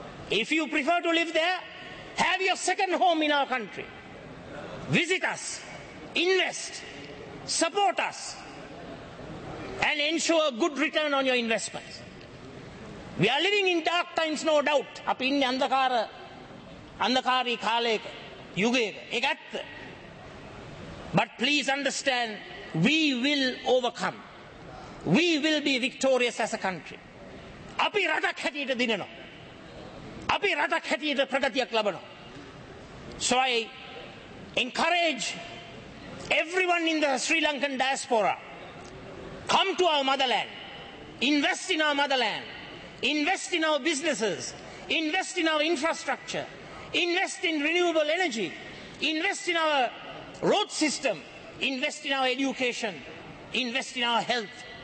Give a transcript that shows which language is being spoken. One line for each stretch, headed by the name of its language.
English: If you prefer to live there, have your second home in our country. Visit us, invest, support us, and ensure a good return on your investments. We are living in dark times, no doubt.
Sinhala: අපි ඉන්නේ අන්ධකාර අන්ධකාරී කාලයක යුගයක. ඒක ඇත්ත.
English: But please understand, we will overcome. We will be victorious as a country.
Sinhala: අපි රටක් හැටියට දිනනවා. අපි රටක් හැටියට ප්‍රගතියක් ලබනවා.
English: So I encourage everyone in the Sri Lankan diaspora, come to our motherland, invest in our motherland, invest in our businesses, invest in our infrastructure, invest in renewable energy, invest in our road system, invest in our education, invest in our health.